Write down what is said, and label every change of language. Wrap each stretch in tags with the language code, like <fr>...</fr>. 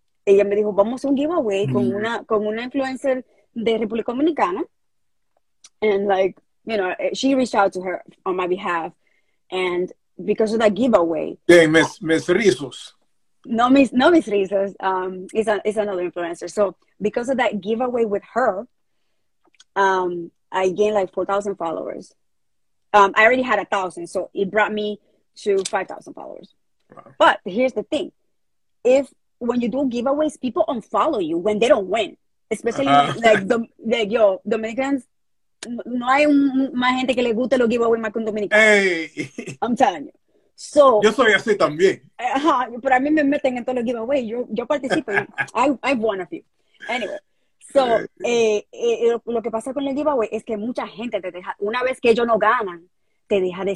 <es>Ella me dijo, vamos a un giveaway con una influencer de República Dominicana.</es> <en>And like, she reached out to her on my behalf, and because of that giveaway, Hey, Miss Rizos. No mis reasons, is another influencer. So because of that giveaway with her, I gained like 4,000 followers. I already had 1,000, so it brought me to 5,000 followers. But here's the thing: if when you do giveaways, people unfollow you when they don't win, especially like Dominicans.</en> <es>No hay más gente que le guste los giveaways más que un dominicano. Hey,</es> <en>I'm telling you.</en> <es>yo soy así también. Pero a mí me meten en todos los giveaways. Yo participo.</es> <en>I've won a few.</en> <es>Anyway, so lo que pasa con el giveaway es que mucha gente te deja, una vez que ellos no ganan, te deja de</es>